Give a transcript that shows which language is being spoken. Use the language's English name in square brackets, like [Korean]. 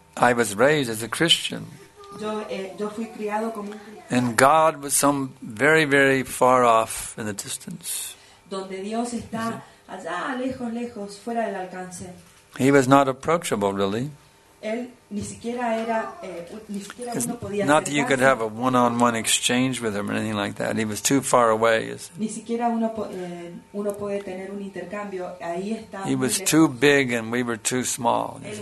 [English] I was raised as a Christian. [Spanish] Yo fui criado como un cristiano. [English] And God was some very very far off in the distance. [Spanish] Donde Dios está allá, lejos, lejos, fuera del alcance. [English] He was not approachable, really. It's not that you could have a one-on-one exchange with him or anything like that. He was too far away. He was too big and we were too small.